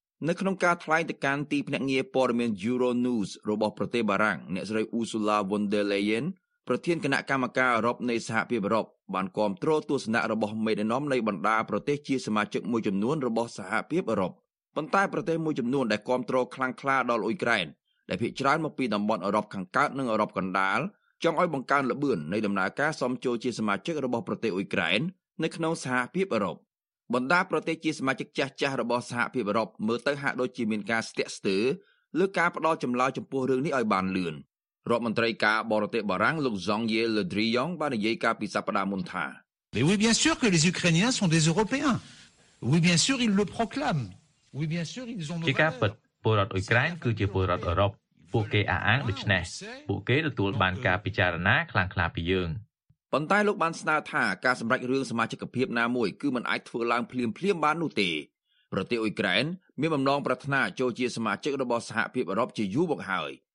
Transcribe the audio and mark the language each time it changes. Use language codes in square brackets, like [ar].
[km] ក្នុងការថ្លែងទៅកាន់ទីភ្នាក់ងារព័ត៌មាន Euronews របស់ប្រទេសបារាំងអ្នកស្រី Ursula von der Leyen ប្រធានគណៈកម្មការអឺរ៉ុបនៃសហភាពអឺរ៉ុបបានគាំទ្រទស្សនៈរបស់មេដឹកនាំនៃបណ្ដាប្រទេសជាសមាជិកមួយចំនួនរបស់សហភាពអឺរ៉ុបប៉ុន្តែប្រទេសមួយចំនួនដែលគាំទ្រខ្លាំងក្លាដល់អ៊ុយក្រែនដែលភាគច្រើនមកពីតំបន់អឺរ៉ុបខាងកើតនិងអឺរ៉ុបកណ្ដាលចង់ឲ្យបង្កើនល្បឿននៃដំណើរការសមចូលជាសមាជិករបស់ប្រទេសអ៊ុយក្រែននៅក្នុងសហភាពអឺរ៉ុប បណ្ដាប្រទេសជាសមាជិកចាស់ចាស់របស់សហភាពអឺរ៉ុបមើលទៅហាក់ដូចជាមានការស្ទាក់ស្ទើរលើការផ្ដល់ចម្លើយចំពោះរឿងនេះឲ្យបានលឿនរដ្ឋមន្ត្រីការបរទេសបារាំងលោក Jean-Yves Le Drian បាននិយាយការពីសប្ដាហ៍មុនថា [fr] Mais oui bien sûr que les Ukrainiens sont des Européens. Oui bien sûr ils le proclament. Oui bien sûr ils ont nos valeurs. [km] ពលរដ្ឋអ៊ុយក្រែនគឺជាពលរដ្ឋអឺរ៉ុបពួកគេអះអាងដូច្នេះពួកគេទទួលបានការពិចារណាខ្លាំងក្លាពីយើង ប៉ុន្តែលោកបានស្នើថាការសម្រេចរឿងសមាជិកភាពណាមួយគឺមិនអាចធ្វើឡើងភ្លាមៗបាននោះទេប្រទេសអ៊ុយក្រែនមានបំណងប្រាថ្នាចូលជាសមាជិករបស់សហភាពអឺរ៉ុបជាយូរមកហើយ